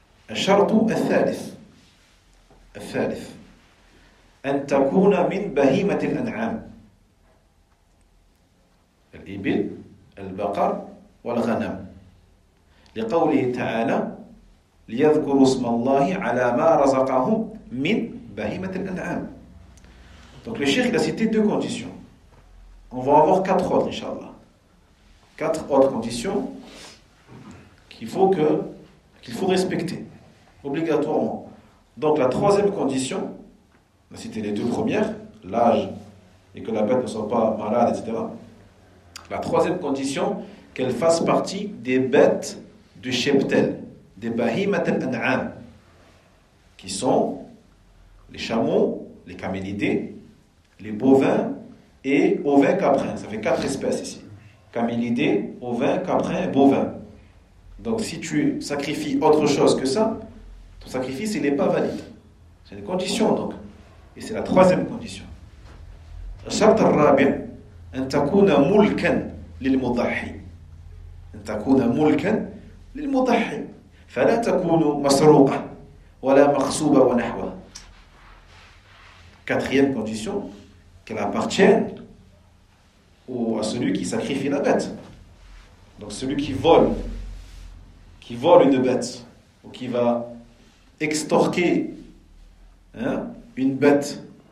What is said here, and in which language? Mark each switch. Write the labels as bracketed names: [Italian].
[Arabic] الشرط الثالث أن تكون من بهيمة الأنعام، الإبل، البقر والغنم، لقوله تعالى ليذكروا اسم الله على ما رزقهم من بهيمة الأنعام. [French] Donc le cheikh a cité deux conditions. On va avoir quatre autres, inshallah. Quatre autres conditions qu'il faut respecter obligatoirement. Donc la troisième condition, c'était les deux premières, l'âge et que la bête ne soit pas malade, etc. La troisième condition, qu'elle fasse partie des bêtes du cheptel, des [Arabic] bahimat al-an'am, [French] qui sont les chameaux, les camélidés, les bovins et ovins caprins. Ça fait quatre espèces ici: camélidés, ovins, caprins et bovins. Donc si tu sacrifies autre chose que ça, ton sacrifice il n'est pas valide. C'est une condition donc. Et c'est la troisième condition. [Arabic] الشرط الرابع أن تكون ملكا للمضحي. أن تكون ملكا للمضحي. فلا تكون مسروقة ولا مخصوبة ونحوها. [French] Quatrième condition, qu'elle appartienne à celui qui sacrifie la bête. Donc celui qui vole une bête, ou qui va extorquer, hein, une bête,